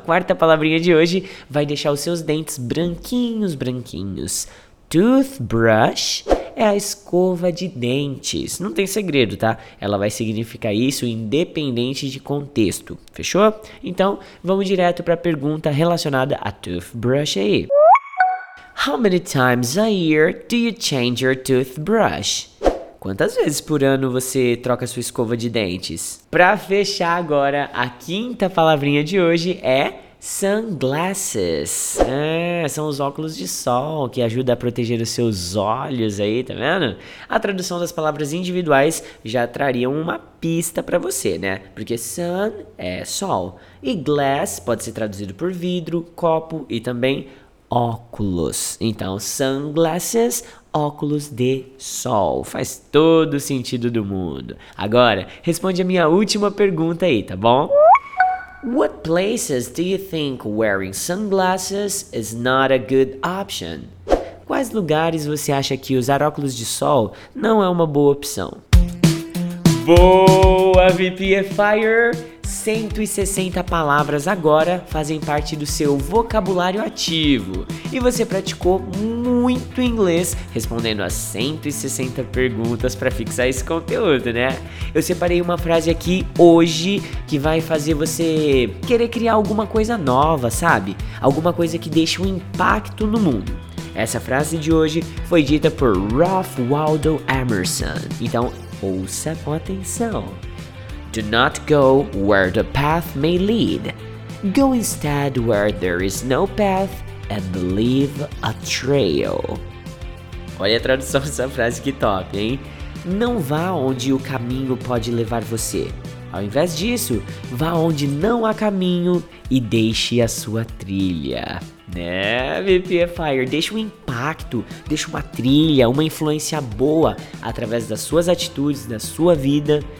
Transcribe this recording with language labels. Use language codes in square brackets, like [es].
[pt] Quarta palavrinha de hoje vai deixar os seus dentes branquinhos, branquinhos. Toothbrush é a escova de dentes. Não tem segredo, tá? Ela vai significar isso independente de contexto. Fechou? Então, vamos direto para a pergunta relacionada a toothbrush aí. [en] How many times a year do you change your toothbrush? [pt] Quantas vezes por ano você troca sua escova de dentes? Pra fechar agora, a quinta palavrinha de hoje é sunglasses. É, são os óculos de sol que ajudam a proteger os seus olhos aí, tá vendo? A tradução das palavras individuais já traria uma pista pra você, né? Porque sun é sol. E glass pode ser traduzido por vidro, copo e também óculos. Então, sunglasses, óculos de sol. Faz todo sentido do mundo. Agora, responde a minha última pergunta aí, tá bom? [en] What places do you think wearing sunglasses is not a good option? [pt] Quais lugares você acha que usar óculos de sol não é uma boa opção? Boa, VPFIer! 160 palavras agora fazem parte do seu vocabulário ativo. E você praticou muito inglês respondendo as 160 perguntas para fixar esse conteúdo, né? Eu separei uma frase aqui hoje que vai fazer você querer criar alguma coisa nova, sabe? Alguma coisa que deixe um impacto no mundo. Essa frase de hoje foi dita por Ralph Waldo Emerson. Então, ouça com atenção. [en] Do not go where the path may lead. Go instead where there is no path and leave a trail. [pt] Olha a tradução dessa frase, que top, hein? Não vá onde o caminho pode levar você. Ao invés disso, vá onde não há caminho e deixe a sua trilha. Né, VPFIer? Deixe um impacto, deixe uma trilha, uma influência boa através das suas atitudes, da sua vida.